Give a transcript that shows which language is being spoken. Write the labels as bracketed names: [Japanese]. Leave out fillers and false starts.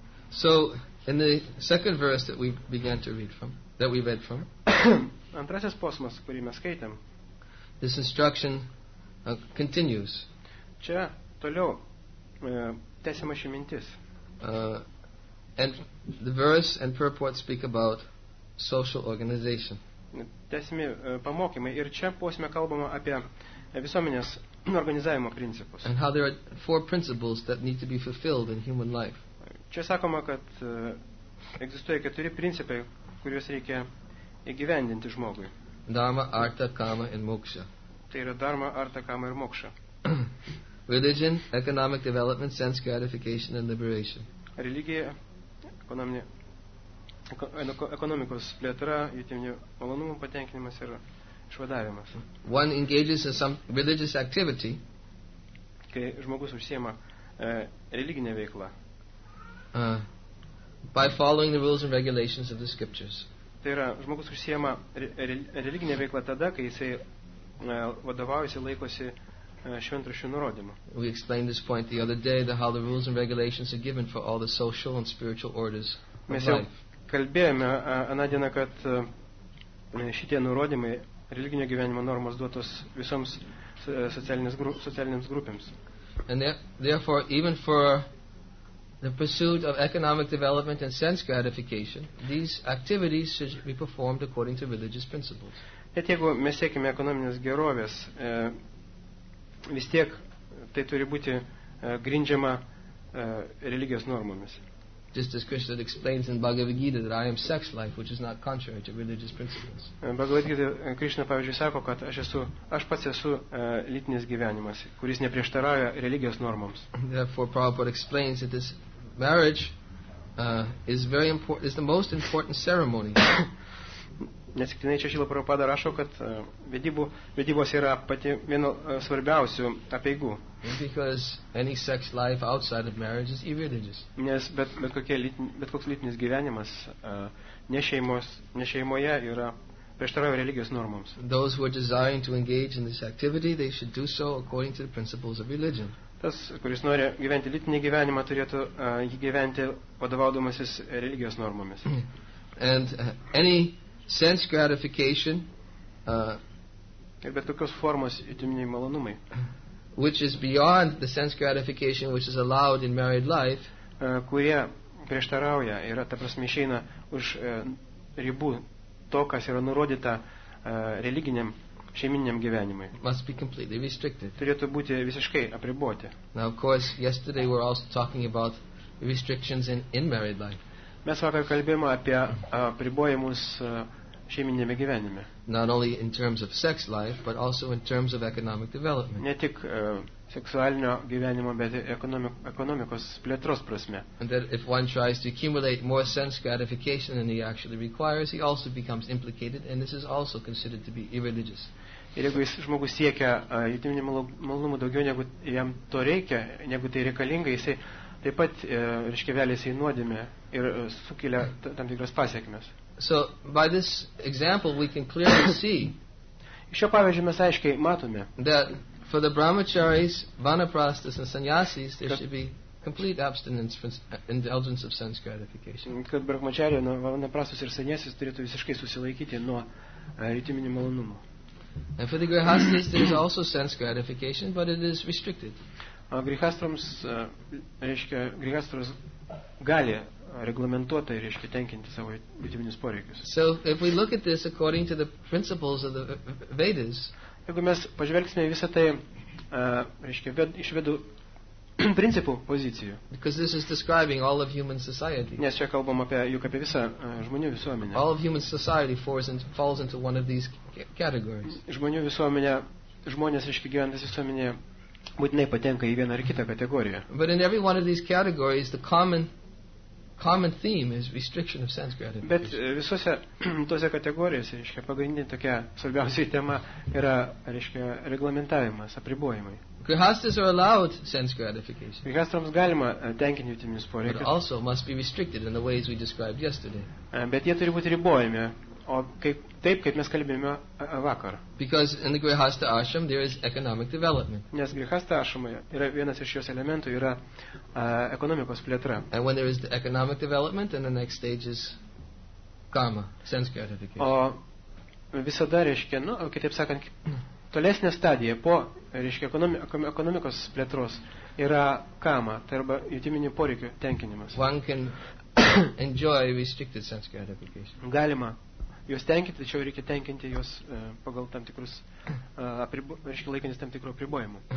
[English] So in the second verse that we began to read from, that we read from, [Lithuanian] antrasis posmas, kurį mes skaitėm, [English] this instruction continues. [Lithuanian] Čia toliau tęsiama ši mintis. [English] And the verse and purport speak about social organization. [Lithuanian] Tęsiami pamokymai ir čia posme kalbama apie visuomenės organizavimo principus. [English] And how there are four principles that need to be fulfilled in human life. [Lithuanian] Čia sakoma, kad egzistuoja keturi principai, kuriuos reikia įgyvendinti žmogui. [English] Dharma, artha, kama and moksha. [Lithuanian] Tai yra dharma, artha, kama ir moksha. [English] Religion, economic development, sense gratification and liberation. [Lithuanian] Religija, ekonomikos plėtra, jutiminių malonumų patenkinimas ir išvadavimas. [English] One engages in some religious activity. [Lithuanian] Kai žmogus užsiema religinė veikla. [English] By following the rules and regulations of the scriptures. [Lithuanian] Tai yra, žmogus užsiema religinė veikla tada, kai jisai vadovaujasi, laikosi šventraščių nurodymų. [English] We explained this point the other day, how the rules and regulations are given for all the social and spiritual orders of life. [Lithuanian] Mes jau kalbėjome aną dieną, kad šitie nurodymai, religinio gyvenimo normos duotos visoms socialinėms grupėms. [English] And therefore, even for the pursuit of economic development and sense gratification, these activities should be performed according to religious principles. [Lithuanian] Bet jeigu mes siekime ekonominės gerovės, vis tiek tai turi būti grindžiama religijos normomis. [English] Just as Krishna explains in Bhagavad Gita that I am sex life, which is not contrary to religious principles. [Lithuanian] Bhagavad Gita Krishna pavyzdžiui sako, kad aš pats esu lytinis gyvenimas, kuris neprieštarauja religijos normoms. [English] Therefore, Prabhupada explains that this marriage is very important, is the most important ceremony. [Lithuanian] Nes tikrai čia Šila Prabhupada rašo, kad vedybos yra pati vieno svarbiausių apeigų. [English] Because any sex life outside of marriage is irreligious. [Lithuanian] Nes bet koks lytinis gyvenimas ne šeimoje yra prieštarauja religijos normoms. [English] Those who are desiring to engage in this activity, they should do so according to the principles of religion. [Lithuanian] Tas, kuris nori gyventi lytinį gyvenimą, turėtų jį gyventi vadovaudamasis religijos normomis. [English] And any sense gratification [Lithuanian] bet tokios formos jutiminiai malonumai, [English] which is beyond the sense gratification which is allowed in married life, [Lithuanian] kurie prieštarauja, yra ta prasme išeina už ribų to, kas yra nurodyta religiniam šeiminiam gyvenimui, [English] must be completely restricted. [Lithuanian] Turėtų būti visiškai apriboti. [English] Now of course yesterday we were also talking about restrictions in married life. [Lithuanian] Mes vakar kalbėjome apie apribojimus šeiminėme gyvenime. [English] Not only in terms of sex life, but also in terms of economic development. [Lithuanian] Ne tik seksualinio gyvenimo, bet ekonomikos plėtros prasme. [English] And that if one tries to accumulate more sense gratification than he actually requires, he also becomes implicated, and this is also considered to be irreligious. [Lithuanian] Ir jeigu jis žmogus siekia jutiminio malonumo daugiau, negu jam to reikia, negu tai reikalinga, jisai taip pat reiškiavelėse įnuodėme ir sukelia tam tikras pasiekmes. [English] So by this example we can clearly see. [Lithuanian] Iš šio pavyzdžio mes aiškiai matome, [English] that for the brahmacharis, vanaprastas and sannyasis there should be complete abstinence from indulgence of sense gratification. [Lithuanian] Kad brahmacharis, vanaprastas ir sannyasis turėtų visiškai susilaikyti nuo jutiminių malonumų. [English] And for the grihastis there is also sense gratification, but it is restricted. [Lithuanian] Grihastrams, reiškia, grihastras gali reglamentuotai, reiškia, tenkinti savo jutiminius poreikius. [English] So, if we look at this according to the principles of the Vedas, [Lithuanian] jeigu mes pažvelgsime visą tai, reiškia, iš vedų principų pozicijų, [English] because this is describing all of human society. [Lithuanian] Nes čia kalbam apie visą žmonių visuomenę. [English] All of human society falls into one of these categories. [Lithuanian] Žmonių visuomenė, žmonės, reiškia, gyvenantys visuomenėje, būtinai patenka į vieną ar kitą kategoriją. [English] But in every one of these categories the common theme is restriction of sense gratification. [Lithuanian] Bet visose tose kategorijose, reiškia, pagrindinė tokia svarbiausia tema yra, reiškia, reglamentavimas, apribojimai. [English] Grihastas are allowed sense gratification. [Lithuanian] Grihastams galima tenkinti jutiminius poreikius. [English] But also must be restricted in the ways we described yesterday. [Lithuanian] Bet jie turi būti ribojami, taip, kaip mes kalbėjome vakar. [English] Because in the grihastha ashram there is economic development. [Lithuanian] Nes grihastha ashramoje yra vienas iš jos elementų, yra ekonomikos plėtra. [English] And when there is the economic development, then the next stage is karma, sense gratification. [Lithuanian] O visada reiškia, nu, kitaip sakant, tolesnė stadija po, reiškia, ekonomikos plėtros yra kama, tai arba jutiminių poreikių tenkinimas. [English] One can enjoy restricted sense gratification. [Lithuanian] Galima juos tenkinti, tačiau reikia tenkinti juos pagal tam tikrus reiškia laikantis tam tikrų apribojimų.